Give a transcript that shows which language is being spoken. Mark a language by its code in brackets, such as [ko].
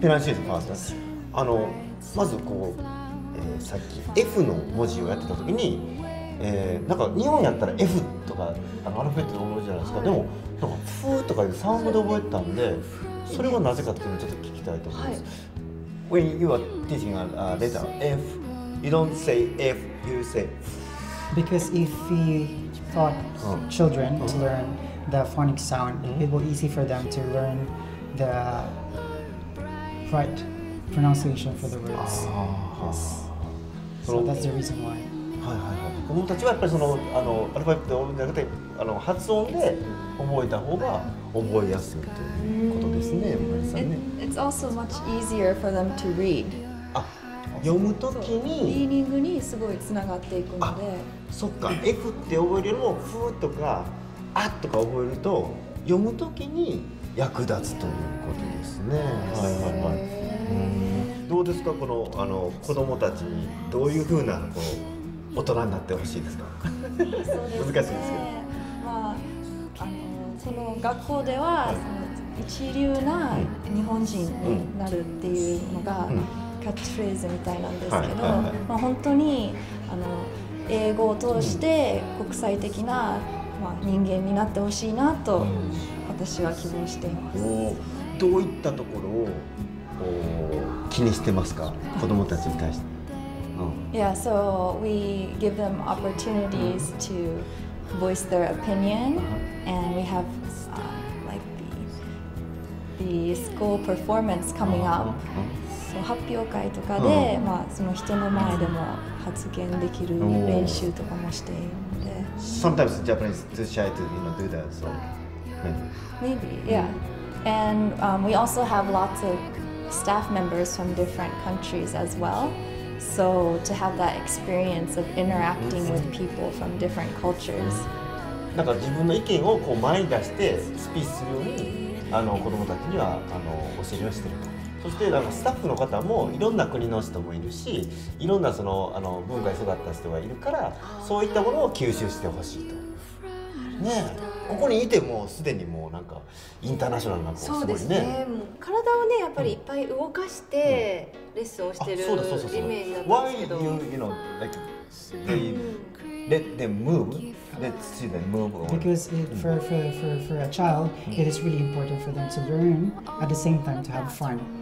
[en] Pronunciation first. [ja] あの、まずこう、さっき F の文字をやってた時に、なんか日本やったら F とかあのアルファベットの文字じゃないですか。でもなんかフーとかいうサウンドで覚えたんで、それはなぜかっていうのをちょっと聞きたいと思います。 [en] はい、When you are teaching a letter F, you don't say F, you say F. Because if we taught children to learn the phonic sound, it will be easy for them to learn the right. pronunciation for the words. Yes. So that's the reason why. [ja] はいはい、子供たちはやっぱりその、あの、アルファベットじゃなくて、あの、発音で覚えた方が覚えやすいということですね、マリさんね。 [en] It's also much easier for them to read. [ja] あ、読むときに、リーディングにすごいつながっていくので。そっか、F って覚えるよりも、フーとか、アとか覚えると、読むときに役立つということですね。はいはいはい。どうですか、この、あの、子供たちにどういうふうなこう大人になってほしいですか。そうですね、難しいですけど、まあ、あの、その学校では、はい、その一流な日本人になるっていうのがキャッチフレーズみたいなんですけど、まあ、本当にあの英語を通して国際的な、まあ、人間になってほしいなと私は希望しています。どういったところを気にしてますか、子どもたちに対して。 [en] Yeah, so we give them opportunities to voice their opinion, and we have like the school performance coming up. [ja] So 発表会とかで、まあその人の前でも発言できる練習とかもしているので。 [en] Sometimes Japanese too shy to you know do that, so maybe yeah. And we also have lots ofstaff members from different countries as well. So to have that experience of interacting with people from different cultures. [ja] なんか自分の意見をこう前に出してスピーチするように、あの、子どもたちにはあの教えをしてると。そしてなんかスタッフの方もいろんな国の人もいるし、いろんなそのあの文化に育った人がいるから、そういったものを吸収してほしいと。ね、ここにいてもすでにもうなんかインターナショナルな子すごいね。そうですね。体をねやっぱりいっぱい動かしてレッスンをしてるイメージだったんですけど。 [en] Why you know like they let them move? Let's see them move. Because it, for a child, it is really important for them to learn at the same time to have fun.